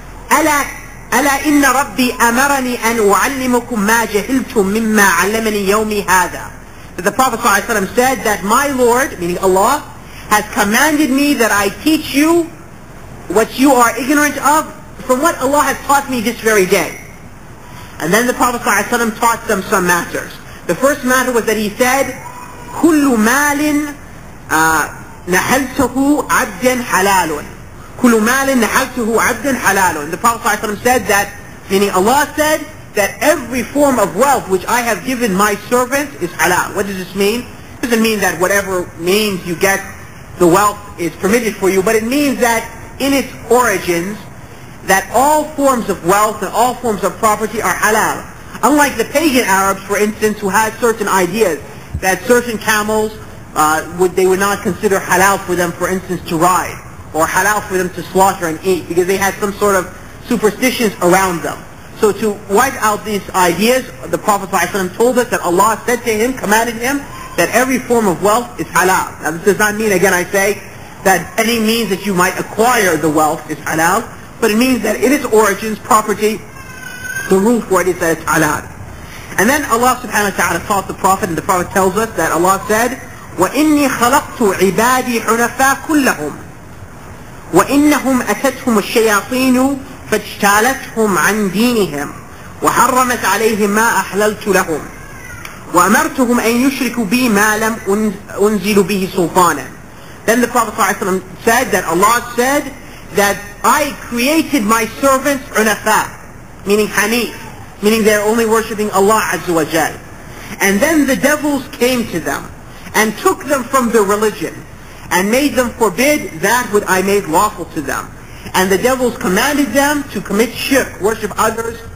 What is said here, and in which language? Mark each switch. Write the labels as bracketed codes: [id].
[ar] ألا إن ربي أمرني أن أعلمكم ما جهلتم مما علمني يومي هذا, [en] that the Prophet ﷺ said that my Lord, meaning Allah, has commanded me that I teach you what you are ignorant of from what Allah has taught me this very day. And then the Prophet ﷺ taught them some matters. The first matter was that he said, [ar] كُلُّ مَالٍ نَحَلْتُهُ عَبْدًا حَلَالٌ كُلُّ مَالٍ نَحَلْتُهُ عَبْدًا حَلَالٌ. [en] The Prophet ﷺ said that, meaning Allah said, that every form of wealth which I have given my servants is halal. What does this mean? It doesn't mean that whatever means you get the wealth is permitted for you, but it means that in its origins, that all forms of wealth and all forms of property are halal. Unlike the pagan Arabs, for instance, who had certain ideas that certain camels, they would not consider halal for them, for instance, to ride, or halal for them to slaughter and eat, because they had some sort of superstitions around them. So to wipe out these ideas, the Prophet ﷺ told us that Allah said to him, commanded him, that every form of wealth is halal. Now this does not mean, again I say, that any means that you might acquire the wealth is halal, but it means that in its origins, property, the root word is that it's halal. And then Allah subhanahu wa ta'ala taught the Prophet, and the Prophet tells us that Allah said, [ar] وَإِنِّي خَلَقْتُ عِبَادِي حُنَفَا كُلَّهُمْ وَإِنَّهُمْ أَتَتْهُمُ الشَّيَاطِينُ فَاجْتَالَتْهُمْ عَنْ دِينِهِمْ وَحَرَّمَتْ عَلَيْهِمْ مَا أَحْلَلْتُ لَهُمْ وَأَمَرْتُهُمْ أَنْ يُشْرِكُوا بِي مَا لَمْ أُنْزِلُ بِهِ سُلْطَانًا. [en] Then the Prophet sallallahu alayhi wa sallam said that Allah said that I created my servants unafa, meaning hanif, meaning they're only worshipping Allah azza wa jal. And then the devils came to them and took them from their religion and made them forbid that which I made lawful to them. And the devils commanded them to commit shirk, worship others